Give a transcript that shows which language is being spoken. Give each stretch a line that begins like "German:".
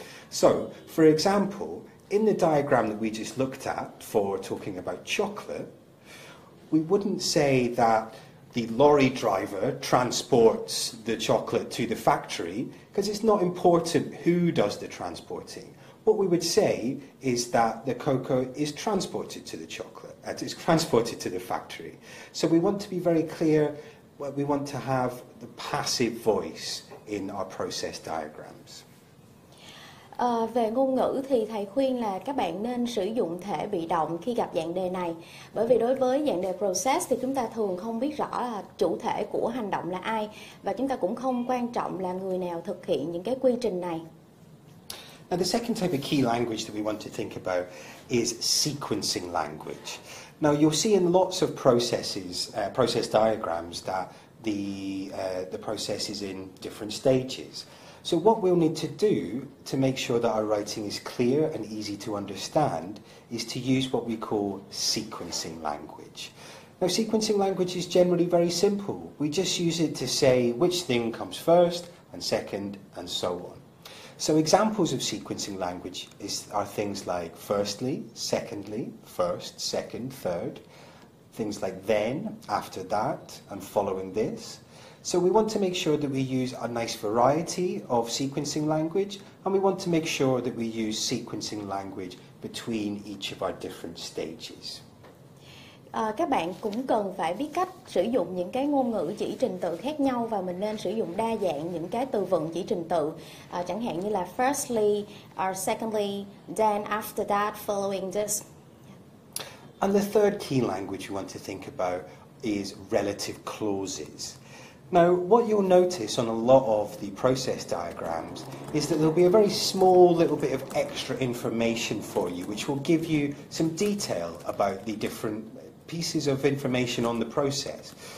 English: So, for example, in the diagram that we just looked at for talking about chocolate, we wouldn't say that the lorry driver transports the chocolate to the factory because it's not important who does the transporting. What we would say is that the cocoa is transported to the chocolate, it's transported to the factory. So we want to be very clear, we want to have the passive voice in our process diagrams.
Vietnamese: Về ngôn ngữ thì thầy khuyên là các bạn nên sử dụng thể bị động khi gặp dạng đề này. Bởi vì đối với dạng đề process thì chúng ta thường không biết rõ là chủ thể của hành động là ai và chúng ta cũng không quan trọng là người nào thực hiện những cái quy trình này.
English: Now the second type of key language that we want to think about is sequencing language. Now you'll see in lots of processes, process diagrams that the process is in different stages. So what we'll need to do to make sure that our writing is clear and easy to understand is to use what we call sequencing language. Now sequencing language is generally very simple. We just use it to say which thing comes first and second and so on. So examples of sequencing language are things like firstly, secondly, first, second, third. Things like then, after that, and following this. So we want to make sure that we use a nice variety of sequencing language, and we want to make sure that we use sequencing language between each of our different stages.
Vietnamese: Các bạn cũng cần phải biết cách sử dụng những cái ngôn ngữ chỉ trình tự khác nhau và mình nên sử dụng đa dạng những cái từ vựng chỉ trình tự, chẳng hạn như là firstly, or secondly, then, after that, following this.
English: And the third key language you want to think about is relative clauses. Now, what you'll notice on a lot of the process diagrams is that there'll be a very small little bit of extra information for you, which will give you some detail about the different pieces of information on the process.